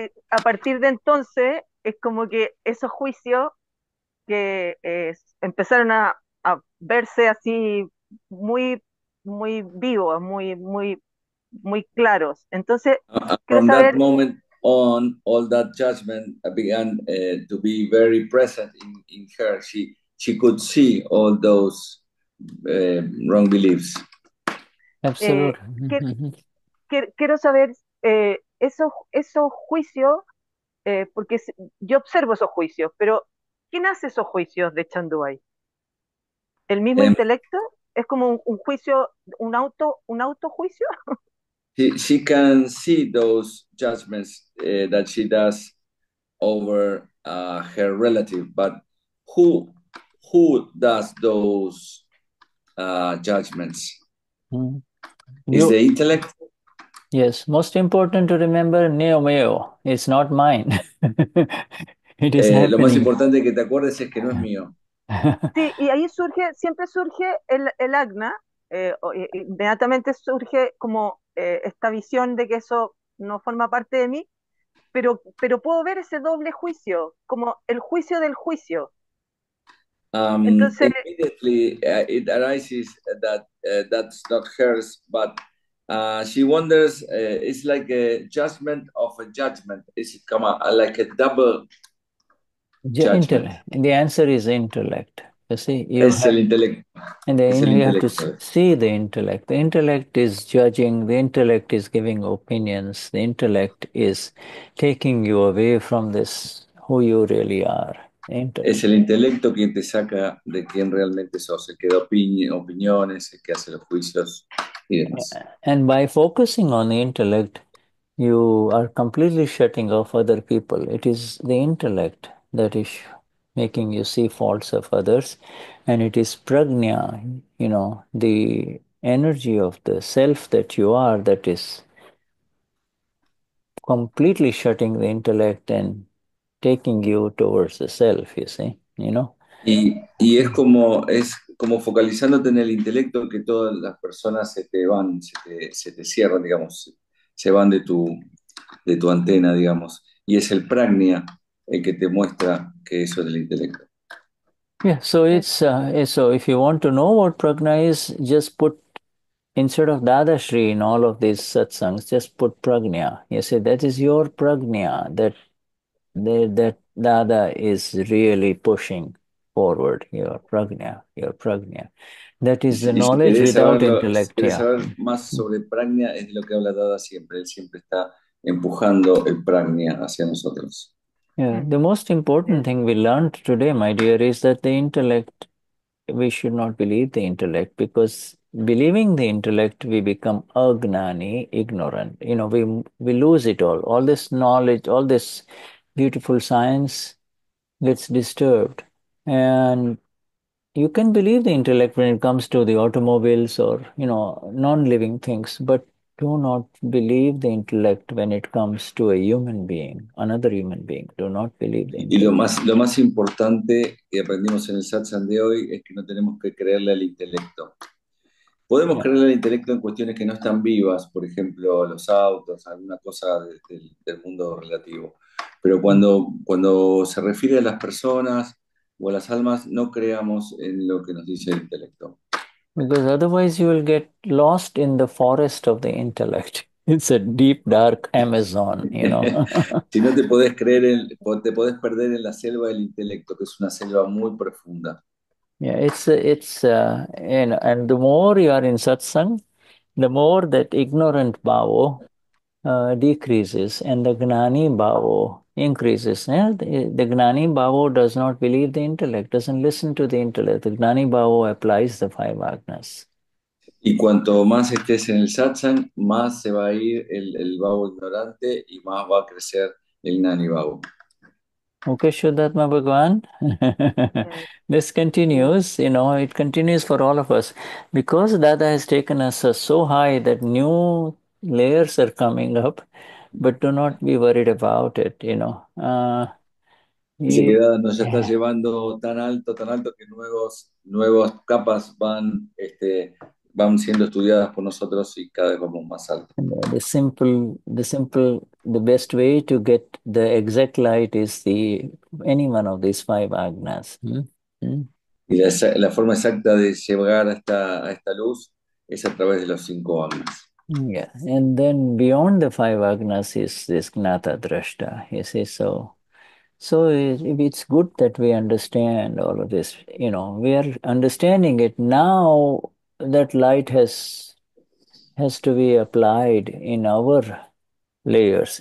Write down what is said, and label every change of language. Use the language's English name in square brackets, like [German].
[Spanish] a partir de entonces es como que esos juicios que empezaron a verse así muy muy vivos, muy muy muy claros. Entonces, [English] from that moment on, all that judgment began to be very present in her. She could see all those wrong beliefs. Absolutely. [Spanish] Quiero saber esos juicios, porque yo observo esos juicios, pero ¿quién hace esos juicios de Chandubai? ¿El mismo intelecto? ¿Es como un juicio, un autojuicio? [English] She can see those judgments that she does over her relative, but who does those judgments? Mm. Is the intellect? Yes, most important to remember, neo meo, it's not mine. [Spanish] Lo más importante que te acuerdes es que no es mío. Sí, y ahí surge, siempre surge el Agna, inmediatamente surge como esta visión de que eso no forma parte de mí, pero puedo ver ese doble juicio, como el juicio del juicio. Entonces, [English] immediately it arises that that's not hers, but she wonders, it's like a judgment of a judgment, it's come out, like a double. And the answer is intellect. You see, you es have, el intellect. And then you have to see the intellect. The intellect is judging. The intellect is giving opinions. The intellect is taking you away from this, who you really are. [Spanish] Es el intelecto quien te saca de quien realmente sos, el que da opiniones, el que hace los juicios y demás. [English] And by focusing on the intellect, you are completely shutting off other people. It is the intellect that is making you see faults of others, and it is prajna, you know, the energy of the self that you are, that is completely shutting the intellect and taking you towards the self, you see, you know. [Spanish] Y es como, es como focalizándote en el intelecto, que todas las personas se te van, se te cierran, digamos, se van de tu antena, digamos. Y es el pragnia el que te muestra que eso es el intelecto. [English] Yeah, so it's so if you want to know what pragna is, just put instead of dadashri in all of these satsangs, just put pragna. You say that is your pragna that dada is really pushing forward, your pragna. That is the knowledge without intellect. [Spanish] Si quieres saber más sobre pragna, es lo que habla Dada siempre. Él siempre está empujando el pragna hacia nosotros. [English] Yeah. The most important thing we learned today, my dear, is that the intellect, we should not believe the intellect, because believing the intellect, we become agnani, ignorant. You know, we lose it all. All this knowledge, all this beautiful science gets disturbed. And you can believe the intellect when it comes to the automobiles or, you know, non-living things, but do not believe the intellect when it comes to a human being, another human being. Do not believe the intellect. [Spanish] Y lo más importante que aprendimos en el satsang de hoy es que no tenemos que creerle al intelecto. Podemos creerle al intelecto en cuestiones que no están vivas, por ejemplo, los autos, alguna cosa del mundo relativo. Pero cuando se refiere a las personas o a las almas, no creamos en lo que nos dice el intelecto. [English] Because otherwise you will get lost in the forest of the intellect. It's a deep, dark Amazon, you know. [Spanish] Si no te podés creer, te podés perder en la selva del intelecto, que es una selva muy profunda. [English] Yeah, and the more you are in satsang, the more that ignorant bhavo decreases and the gnani bhavo increases. Yeah? The gnani bhavo does not believe the intellect, doesn't listen to the intellect. The gnani bhavo applies the five agnas. [Spanish] Y cuanto más estés en el satsang, más se va a ir el bhavo ignorante y más va a crecer el gnani bhavo. [English] Okay, Vishuddhatma Bhagavan. This continues, you know, it continues for all of us. Because Dada has taken us so high that new layers are coming up, but do not be worried about it, you know. [Spanish] Nos está llevando tan alto que nuevos capas van siendo estudiadas por nosotros y cada vez vamos más alto. [English] The best way to get the exact light is any one of these five agnas. [Spanish] Y la forma exacta de llegar a esta luz es a través de los cinco agnas. [English] Yeah, and then beyond the five agnas is this GnataDrashta. You see, so it's good that we understand all of this. You know, we are understanding it now. That light has to be applied in our layers.